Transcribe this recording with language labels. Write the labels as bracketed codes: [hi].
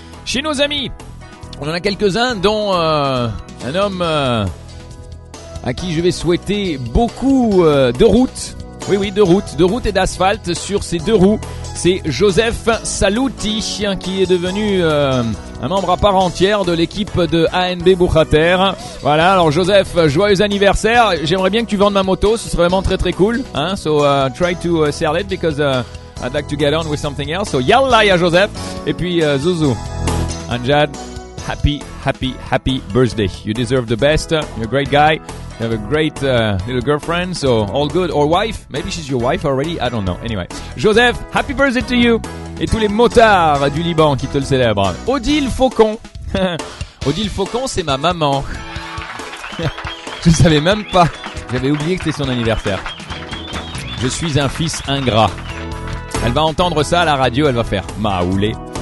[fr] Chez nos amis, on en a quelques-uns, dont un homme à qui je vais souhaiter beaucoup de route. Oui, oui, de route et d'asphalte sur ces deux roues. C'est Joseph Saluti qui est devenu un membre à part entière de l'équipe de ANB Bouchater. Voilà, alors Joseph, joyeux anniversaire. J'aimerais bien que tu vendes ma moto, ce serait vraiment très très cool. Hein? [en] So try to sell it because I'd like to get on with something else. So [ar] yalla ya [en] Joseph. [fr] Et puis [en] Zouzou, Anjad, happy, happy, happy birthday. You deserve the best, you're a great guy. You have a great little girlfriend, so all good. Or wife, maybe she's your wife already, I don't know. Anyway, Joseph, happy birthday to you. [fr] Et tous les motards du Liban qui te le célèbrent. Odile Faucon. Odile Faucon, c'est ma maman. Je ne savais même pas. J'avais oublié que c'était son anniversaire. Je suis un fils ingrat. Elle va entendre ça à la radio, elle va faire maoulé.